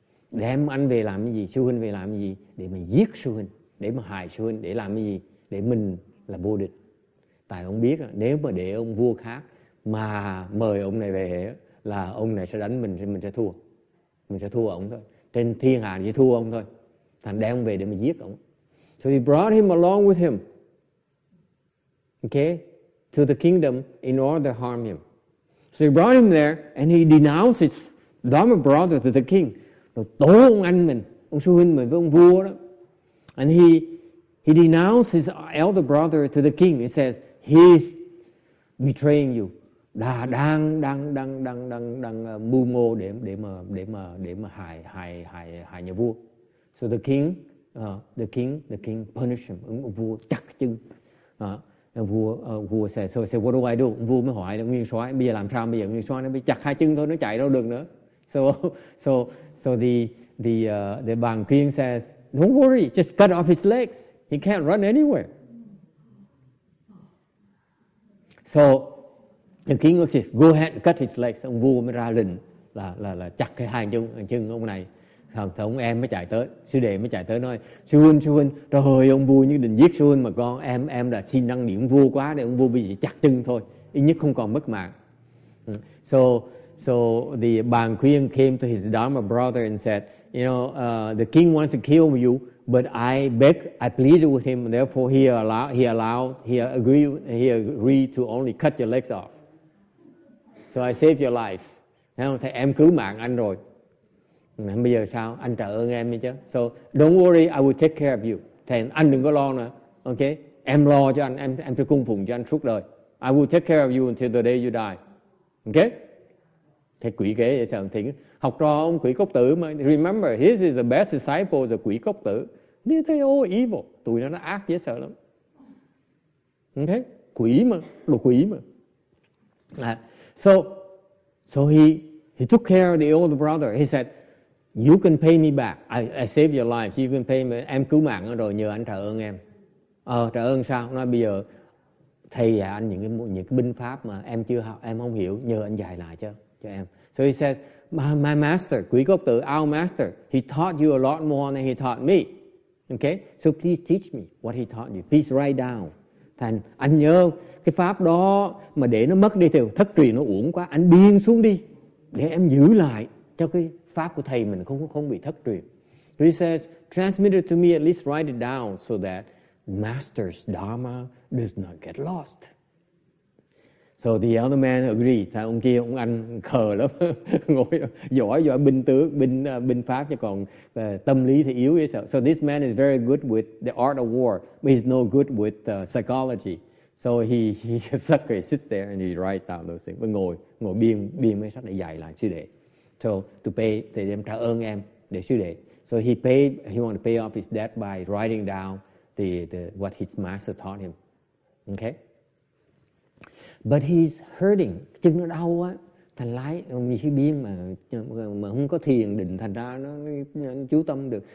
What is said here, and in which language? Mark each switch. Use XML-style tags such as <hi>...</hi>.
<vi>Đem anh về làm cái gì, sư huynh về làm cái gì, để mà giết sư huynh, để mà hại sư huynh, để làm cái gì, để mình là vô địch. Tại ông biết nếu mà để ông vua khác mà mời ông này về là ông này sẽ đánh mình, mình sẽ thua. Mình sẽ thua ông thôi. Trên thiên hạ chỉ thua ông thôi. Thành đem ông về để mà giết ông.</vi> <en>So he brought him along with him. Okay? To the kingdom in order to harm him. So he brought him there and he denounced his Dharma brother to the king.</en> <vi>Tố ông anh mình, ông sư huynh mình với ông vua đó.</vi> <en>And he denounced his elder brother to the king. He says, he's betraying you.</en> <vi>Đang mưu mô để mà hại nhà vua.</vi> <en>So the king punished him.</en> <vi>Ông vua chặt chân.</vi> <en>Vua says, so he said, what do I do?</en> <vi>Ông vua mới hỏi là nguyên soái, bây giờ làm sao? Bây giờ nguyên soái nó bị chặt hai chân thôi, nó chạy đâu được nữa.</vi> <en>So the Bàn Quyên says, don't worry, just cut off his legs. He can't run anywhere. So the king says, go ahead and cut his legs.</en> <vi>Ông vua mới ra lệnh là chặt cái hai chân ông này. Thì ông em mới chạy tới, sư đệ mới chạy tới nói, sư huynh, trời ơi ông vua như định giết sư huynh mà con, em đã xin năng điểm vua quá, để ông vua bị chặt chân thôi, ít nhất không còn mất mạng.</vi> <en>So the Bàn Quyên came to his Dharma brother and said, you know, the king wants to kill you, but I pleaded with him, and therefore he agreed to only cut your legs off. So I saved your life.</en> <vi>Thì em cứu mạng anh rồi. Bây giờ sao? Anh trả ơn em đi chứ.</vi> <en>So don't worry, I will take care of you.</en> <vi>Thì anh đừng có lo nữa. Okay? Em lo cho anh, em sẽ cung phụng cho anh suốt đời.</vi> <en>I will take care of you until the day you die.</en> <vi>Okay? Thầy quỷ kế vậy sao? Thì học trò ông quỷ cốc tử mà.</vi> <en>Remember, his is the best disciple of quỷ cốc tử.</en> <vi>Nếu thấy ô evil, tụi nó ác dễ sợ lắm. Okay? Quỷ mà, đồ quỷ mà.</vi> <en>So he took care of the older brother. He said, you can pay me back. I saved your life. You can pay me.</en> <vi>Em cứu mạng rồi, nhờ anh trả ơn em. Trả ơn sao? Nói bây giờ thầy dạy anh những cái binh pháp mà em chưa học, em không hiểu, nhờ anh dạy lại cho em.</vi> <en>So he says, my master, quý cốc tử, our master, he taught you a lot more than he taught me. Okay? So please teach me what he taught you. Please write down.</en> <vi>Thành anh nhớ cái pháp đó mà để nó mất đi thì thất truyền nó uổng quá. Anh điên xuống đi để em giữ lại cho cái pháp của thầy mình không bị thất truyền.</vi> <en>He says, transmit it to me, at least write it down so that master's dharma does not get lost. So the other man agreed.</en> <vi>Thầy ông kia ông anh khờ lắm, ngồi giỏi binh tướng, binh pháp chứ còn tâm lý thì yếu.</vi> <en>So this man is very good with the art of war, but he's no good with psychology. So he sits there and he writes down those things.</en> <vi>Ngồi biên mấy sách để dạy lại sư đệ.</vi> <en>to pay</en> <vi>thầy em trả ơn em để sư đệ.</vi> <en>So he paid, he wanted to pay off his debt by writing down the what his master taught him. Okay? But he's hurting.</en> <vi>Chân nó đau quá. Thành lái, như biến mà không có thiền định thành ra nó chú tâm được.</vi>